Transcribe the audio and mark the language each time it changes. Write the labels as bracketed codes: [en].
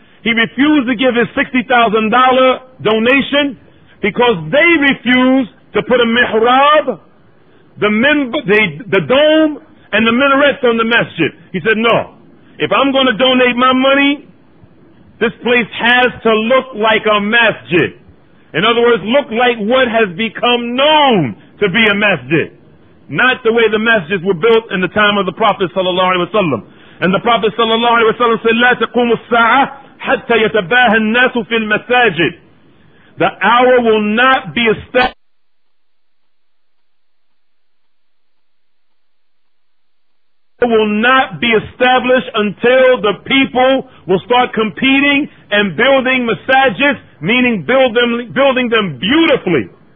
[en] He refused to give his $60,000 donation because they refused to put a mihrab, the dome, and the minarets on the masjid. He said, no. If I'm going to donate my money, this place has to look like a masjid. In other words, look like what has become known to be a masjid. Not the way the masjids were built in the time of the Prophet sallallahu alaihi wasallam. And the Prophet sallallahu alaihi wasallam said, [ar] لا تقوم الساعة حتى يتباهى الناس في المساجد. [en] The hour will not be established. will not be established until the people will start competing and building masajids, meaning building them beautifully.